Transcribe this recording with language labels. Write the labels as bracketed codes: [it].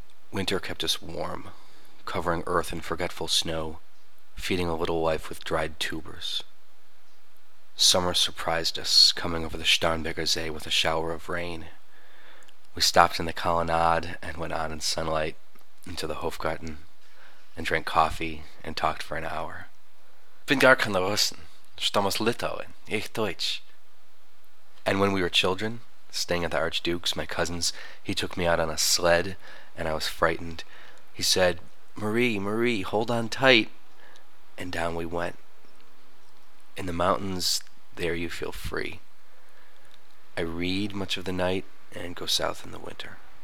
[en] Winter kept us warm, covering earth in forgetful snow, feeding a little life with dried tubers. Summer surprised us, coming over the Starnberger See with a shower of rain. We stopped in the colonnade and went on in sunlight into the Hofgarten and drank coffee and talked for an hour. [de] Bin gar keine Russen, stammes Litauen, ich Deutsch. [en] And when we were children, staying at the Archduke's, my cousins, he took me out on a sled and I was frightened. He said, Marie, Marie, hold on tight. And down we went. In the mountains, there you feel free. I read much of the night and go south in the winter.